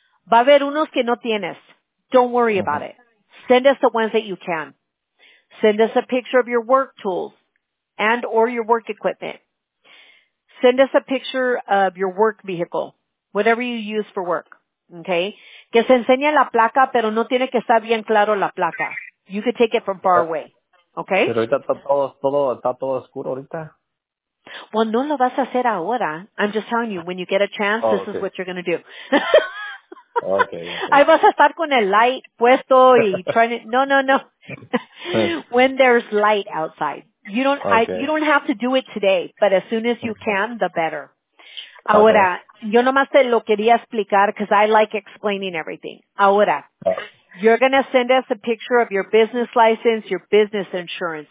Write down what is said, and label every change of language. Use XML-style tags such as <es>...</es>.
<es>Va a haber unos que no tienes.</es> <en>Don't worry about it. Send us the ones that you can. Send us a picture of your work tools and or your work equipment. Send us a picture of your work vehicle, whatever you use for work.</en> <es>Okay, que se enseñe la placa, pero no tiene que estar bien claro la placa.</es> <en>You could take it from far away. Okay.</en> <es>Pero ahorita está todo oscuro ahorita. Well, no lo vas a hacer ahora.</es> <en>I'm just telling you, when you get a chance, oh, this okay. is what you're going to do. Okay.</en> <es>Ahí vas a estar con el light puesto y</es> <en>trying to... No, no, no. When there's light outside. You don't okay. You don't have to do it today, but as soon as you can, the better. Okay.</en> <es>Ahora, yo nomás te lo quería explicar</es> <en>because I like explaining everything. Ahora, you're going to send us a picture of your business license, your business insurance.</en>